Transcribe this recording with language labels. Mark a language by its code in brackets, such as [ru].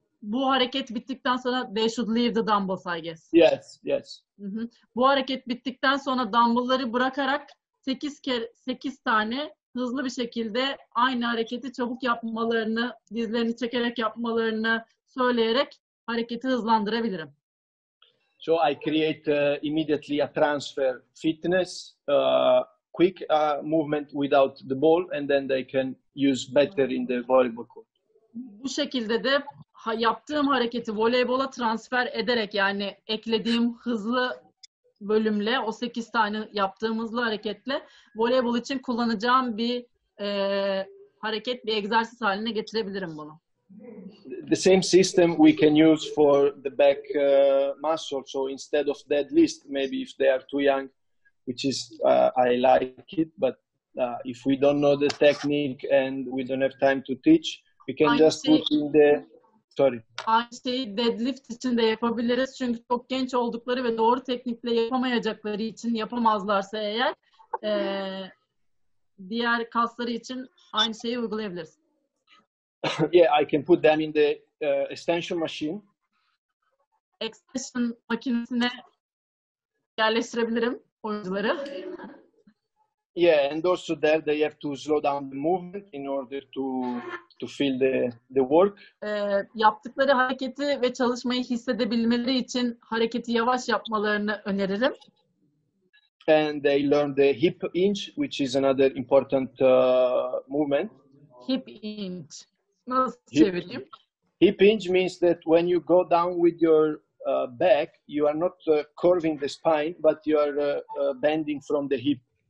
[tr] Bu hareket bittikten sonra [en] they should leave the dumbbells, I guess. Yes, yes. [tr] Bu hareket bittikten sonra dumbbellları bırakarak 8 tane hızlı bir şekilde aynı hareketi çabuk yapmalarını, dizlerini çekerek yapmalarını söyleyerek hareketi hızlandırabilirim. [en] So I create immediately a transfer fitness, quick movement without the ball, and then they can use better in the volleyball court. [tr] Bu şekilde de yaptığım hareketi voleybola transfer ederek, yani eklediğim hızlı bölümle, o 8 tane yaptığım hızlı hareketle voleybol için kullanacağım bir hareket, bir egzersiz haline getirebilirim bunu. [en] The same system we can use for the back muscle. So instead of deadlift, maybe if they are too young, which is I like it, but if we don't know the technique and we don't have time to teach, we can just put in the [tr] Aynı şeyi deadlift için de yapabiliriz. Çünkü çok genç oldukları ve doğru teknikle yapamayacakları için, yapamazlarsa eğer, diğer kasları için aynı şeyi uygulayabiliriz. [en] Yeah, I can put them in the extension machine. [tr] Extension makinesine yerleştirebilirim oyuncuları. [en] Yeah, and also there they have to slow down the movement in order to feel the work. [tr] Yaptıkları hareketi ve çalışmayı hissedebilmeleri için hareketi yavaş yapmalarını öneririm. [en] And they learn the hip hinge, which is another important movement. [tr] Hip hinge. Nasıl çevireyim? [en] Hip hinge means that when you go down with your back, you are not curving the spine, but you are bending from the hip.